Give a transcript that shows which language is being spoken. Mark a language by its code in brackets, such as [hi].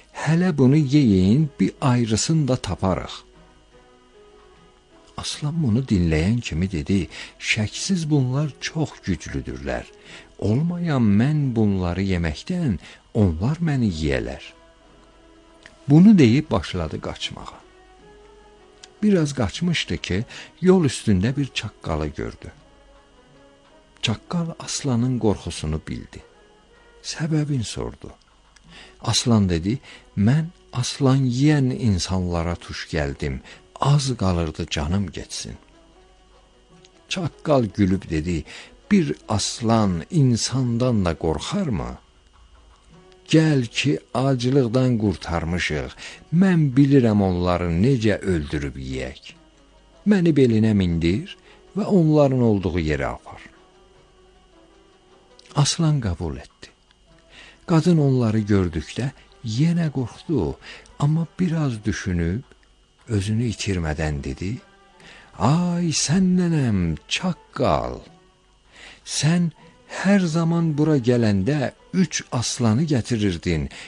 [az] Hələ bunu yeyin, bir ayrısını da taparıq. Aslan bunu dinləyən kimi dedi, şəksiz bunlar çox güclüdürlər. Olmayan mən bunları yeməkdən, onlar məni yiyələr. Bunu deyib başladı qaçmağa. Biraz qaçmışdı ki, yol üstündə bir çaqqalı gördü. Çaqqal aslanın qorxusunu bildi. Səbəbin sordu. Aslan dedi, mən aslan yiyən insanlara tuş gəldim, az qalırdı canım geçsin. Çaqqal gülüb dedi, bir aslan insandan da qorxar mı? Gəl ki, acılıqdan qurtarmışıq, mən bilirəm onları necə öldürüb yiyək. Məni belinə mindir və onların olduğu yerə apar. [tr] Aslan kabul etti. Kadın onları gördükte yine korktu ama biraz düşünüp özünü itirmeden dedi. Ay sen nenem çakal. Sen her zaman bura gelende üç aslanı getirirdin.